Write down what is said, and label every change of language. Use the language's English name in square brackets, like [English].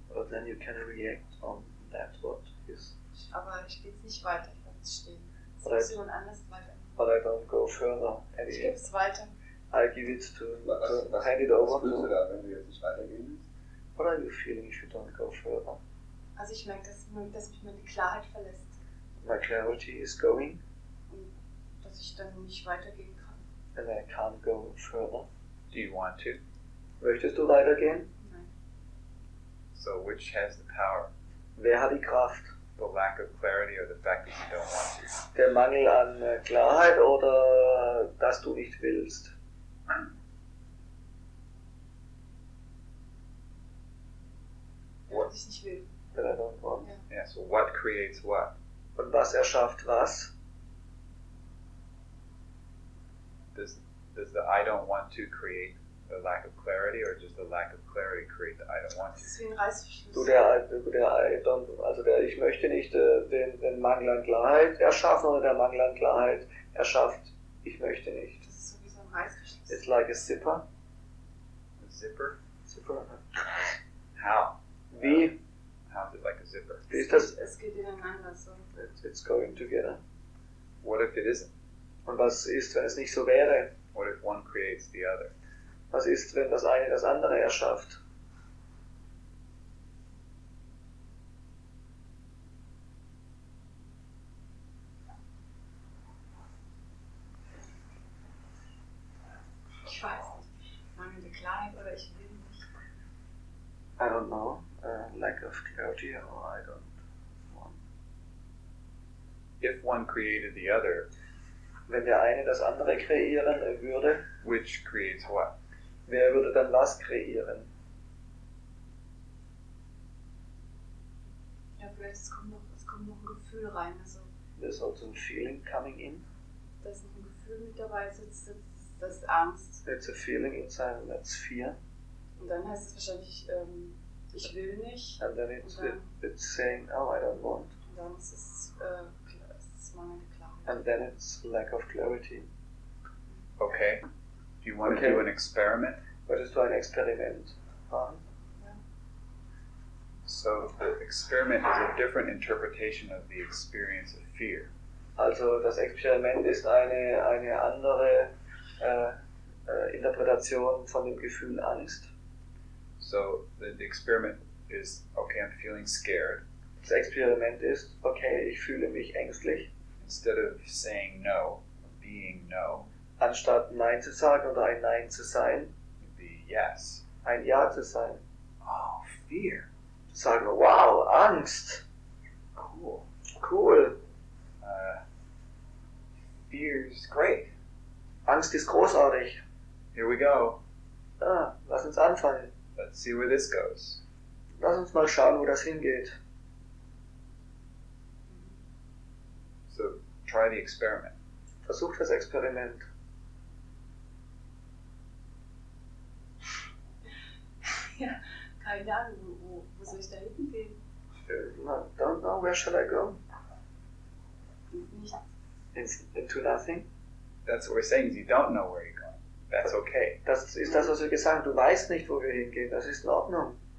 [English] Then you can react on that what is. [German] Aber ich gehe nicht weiter, ich lasse es stehen. Es ist anders weiter. [English] But I don't go further. [German] Any. Ich gebe es weiter. [English] I give it to hand it over. [German] Was fühlst du da, wenn du jetzt nicht weitergehen willst? [English] What are you feeling if you don't go further? [German] Also ich merke, dass mich meine Klarheit verlässt. [English] My clarity is going. [German] Und dass ich dann nicht weitergehen kann. [English] And I can't go further. Do you want to? [German] Möchtest du weitergehen? [English] So which has the power? [German] Wer hat die Kraft? [English] The lack of clarity or the fact that you don't want to? [German] Der Mangel an Klarheit oder dass du nicht willst? What? Dass ich nicht will. [English] That I don't want. Yeah. Yeah, so what creates what? [German] Und was erschafft was? [English] Does the I don't want to create the lack of clarity, or just the lack of clarity create the I don't want to. [German] Ich möchte nicht den Mangel an Klarheit erschaffen, oder der Mangel an Klarheit erschafft. Ich möchte nicht. Das ist so wie so ein Reißverschluss. [English] It's like a zipper. A zipper? Zipper. How? [German] Wie? [English] How is it like a zipper? [German] Wie ist das? Es geht ineinander so. [English] It's going together. What if it isn't? [German] Und was ist, wenn es nicht so wäre? [English] What if one creates the other? [German] Was ist, wenn das eine das andere erschafft? Ich weiß nicht, mangelnde Klarheit oder ich will nicht. [English] I don't know, lack of clarity or I don't want. If one created the other, [German] wenn der eine das andere kreieren würde, [English] which creates what? [German] Wer würde dann was kreieren? Ja, vielleicht es kommt noch ein Gefühl rein. Also, [English] there's also a feeling coming in. [German] Da ist noch ein Gefühl mit dabei, sitzt das Angst. [English] It's a feeling inside and that's fear. [German] Und dann heißt es wahrscheinlich, ich will nicht. [English] And then it's saying, oh, I don't want. [German] Und dann ist es mangelnde Klarheit. [English] And then it's lack of clarity. Okay. Do you want to do an experiment? [German] Wolltest du ein Experiment machen? [English] So the experiment is a different interpretation of the experience of fear. [German] Also das Experiment ist eine andere Interpretation von dem Gefühl Angst. [English] So the experiment is, okay, I'm feeling scared. [German] Das Experiment ist, okay, ich fühle mich ängstlich. [English] Instead of saying no, being no. [German] Anstatt Nein zu sagen oder ein Nein zu sein, [English] be yes. [German] Ein Ja zu sein. [English] Oh, fear. [German] Zu sagen, wow, Angst. [English] Cool. Fear is great. [German] Angst ist großartig. [English] Here we go. [German] Ah, lass uns anfangen. [English] Let's see where this goes. [German] Lass uns mal schauen, wo das hingeht. [English] So, try the experiment. [German] Versuch das Experiment. Ja, keine Ahnung, wo soll ich da hingehen? [English] I don't know, where should I go? [German] Nichts. [English] Into nothing? That's what we're saying, you don't know where you're going. That's okay. [German] Das ist das, was wir gesagt haben, du weißt nicht, wo wir hingehen, das ist in Ordnung.